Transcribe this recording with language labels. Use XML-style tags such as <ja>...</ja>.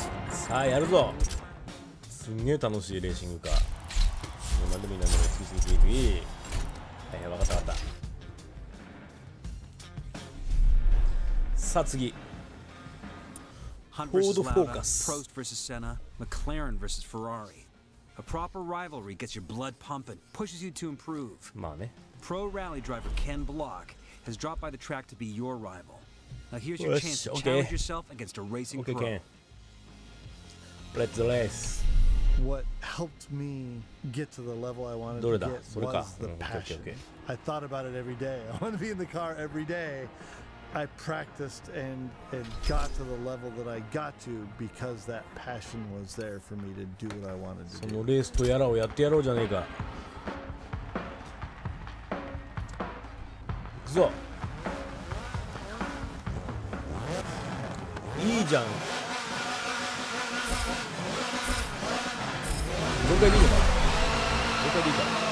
<ja>さあやるぞ。すんげえ楽しいレーシングカー。もう何でもいい何でもいい、次次次次。はいはい、分かった分かった。さあ次、フォードフォーカス、プロスト vs セナ、マクラーレン vs フェラーリ。</ja> <en>A proper rivalry gets your blood pumping, pushes you to improve.</en> <ja>まあね。</ja> <en>Pro rally driver Ken Block has dropped by the track to be your rival. Now here's your chance to challenge yourself against a racing pro. Okay, Ken. Let's race. What helped me get to the level I wanted to get was the passion. I thought about it every day. I want to be in the car every day. I practiced and got to the level that I got to because that passion was there for me to do what I wanted to do.</en> <ja>そのレースとやらをやってやろうじゃねえか。行くぞ。いいじゃん。もう一回でいいのか。もう一回でいいか。</ja>